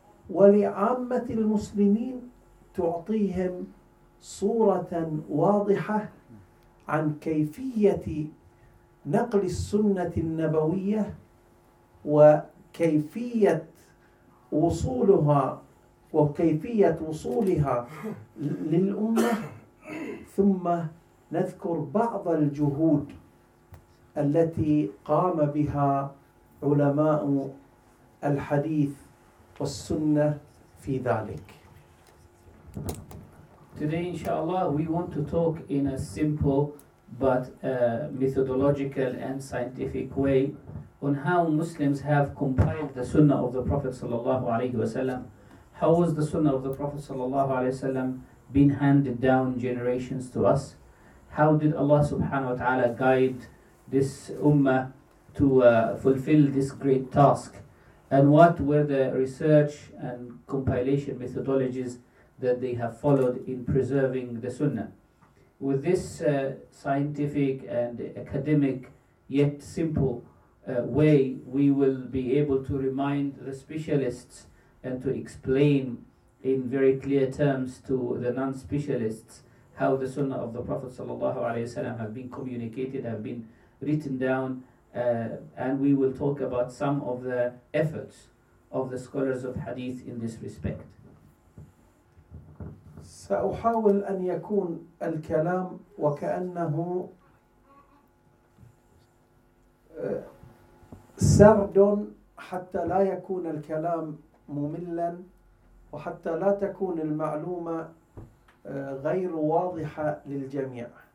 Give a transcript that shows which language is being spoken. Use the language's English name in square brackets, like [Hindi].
[Arabic] ولعامة المسلمين تعطيهم صورة واضحة عن كيفية نقل السنة النبوية وكيفية وصولها وكيفية وصولها للأمة، ثم نذكر بعض الجهود التي قام بها علماء الحديث والسنة في ذلك. [English] Today, inshallah, we want to talk in a simple but methodological and scientific way on how Muslims have compiled the Sunnah of the Prophet sallallahu alaihi wasallam. How was the Sunnah of the Prophet sallallahu alaihi wasallam been handed down generations to us? how did Allah subhanahu wa ta'ala guide this ummah to fulfill this great task? And what were the research and compilation methodologies that they have followed in preserving the sunnah? With this scientific and academic yet simple way, we will be able to remind the specialists and to explain in very clear terms to the non-specialists how the sunnah of the Prophet sallallahu alaihi wasallam have been communicated, have been written down, and we will talk about some of the efforts of the scholars of hadith in this respect. [Arabic] سأحاول أن يكون الكلام وكأنه سرد حتى لا يكون الكلام مملا وحتى لا تكون المعلومة غير واضحة للجميع.